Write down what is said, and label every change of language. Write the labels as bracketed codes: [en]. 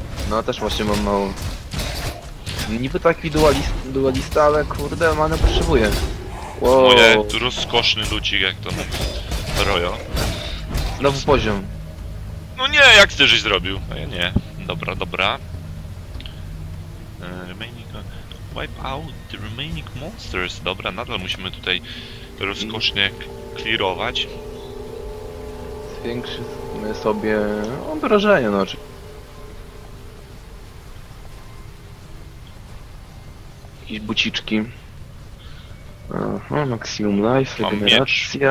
[pl] No, też właśnie mam mało. Niby taki dualista, ale kurde, many potrzebuję. Wow. Moje, tu rozkoszny ludzik, jak to mówię. Rojo. Znowu poziom. No nie, jak ty żeś zrobił? No ja nie. Dobra. [en] Remaining. Wipe out the remaining monsters. [pl] Dobra, nadal musimy tutaj rozkosznie clearować. Zwiększymy sobie obrażenie, no czy. Jakieś buciczki. Aha, [en] maximum life, [pl] regeneracja.